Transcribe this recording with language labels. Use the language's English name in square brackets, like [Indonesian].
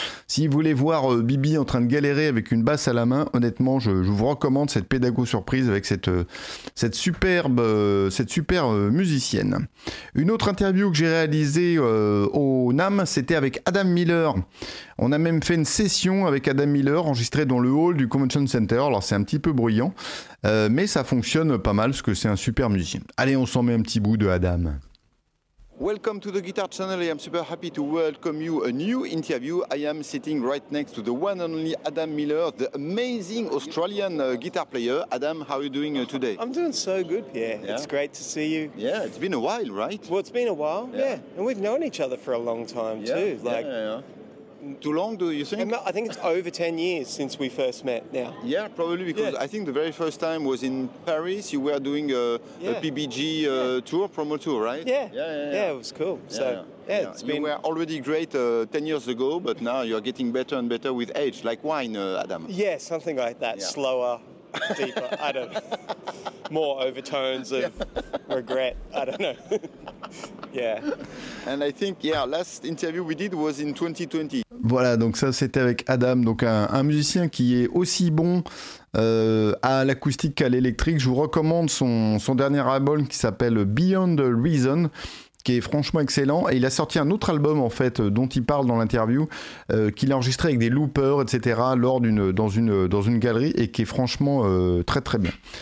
[French] Si vous voulez voir Bibi en train de galérer avec une basse à la main, honnêtement, je vous recommande cette pédago surprise avec cette superbe musicienne. Une autre interview que j'ai réalisée au NAMM, c'était avec Adam Miller. On a même fait une session avec Adam Miller enregistrée dans le hall du Convention Center. Alors c'est un petit peu bruyant, mais ça fonctionne pas mal parce que c'est un super musicien. Allez, on s'en met un petit bout de Adam. [English] Welcome to the Guitar Channel. I am super happy to welcome you a new interview. I am sitting right next to the one and only Adam Miller, the amazing Australian guitar player. Adam, how are you doing today? I'm doing so good, Pierre. Yeah. It's great to see you. Yeah, it's been a while, right? Well, it's been a while, yeah. And we've known each other for a long time, yeah, too. Like, yeah. Too long, do you think? I think it's over 10 years since we first met now. Yeah, probably, because yeah. I think the very first time was in Paris. You were doing a PBG tour, promo tour, right? Yeah, it was cool. Yeah, so. Yeah. Yeah, it's been... You were already great 10 years ago, but now you're getting better and better with age, like wine, Adam. Yeah, something like that, yeah. Slower, deeper, I don't know. More overtones of regret, I don't know. Yeah. And I think, last interview we did was in 2020. [French] Voilà, donc ça c'était avec Adam, donc un musicien qui est aussi bon à l'acoustique qu'à l'électrique. Je vous recommande son dernier album qui s'appelle Beyond Reason, qui est franchement excellent. Et il a sorti un autre album, en fait, dont il parle dans l'interview, qu'il a enregistré avec des loopers, etc., lors d'une, dans une galerie, et qui est franchement très, très bien.